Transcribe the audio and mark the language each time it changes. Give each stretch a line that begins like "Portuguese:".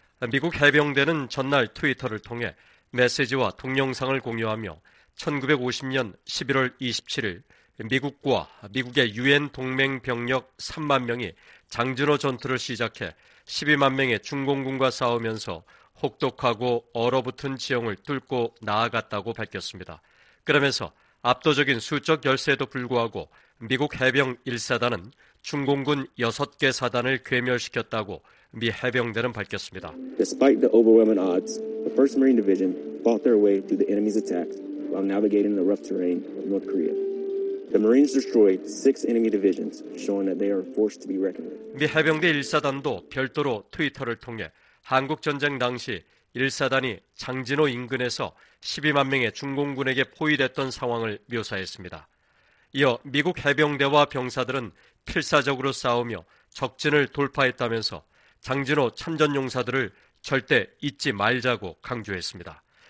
Korean: 미국 해병대는 전날 트위터를 통해 메시지와 동영상을 공유하며 1950년 11월 27일 미국과 미국의 유엔 동맹 병력 3만 명이 장진호 전투를 시작해 12만 명의 중공군과 싸우면서 혹독하고 얼어붙은 지형을 뚫고 나아갔다고 밝혔습니다. 그러면서 압도적인 수적 열세에도 불구하고 미국 해병 1사단은 중공군 6개 사단을 괴멸시켰다고 미 해병대는 밝혔습니다.
English: Despite the overwhelming odds, the 1st Marine Division fought their way through the enemy's attacks while navigating the rough terrain of North Korea. The Marines destroyed 6 enemy divisions, showing that they are forced to be reckoned with.
Korean: 미 해병대 1사단도 별도로 트위터를 통해 한국 전쟁 당시 1사단이 장진호 인근에서 12만 명의 중공군에게 포위됐던 상황을 묘사했습니다. 이어 미국 해병대와 병사들은 필사적으로 싸우며 적진을 돌파했다면서 장진호 참전용사들을 절대 잊지 말자고 강조했습니다.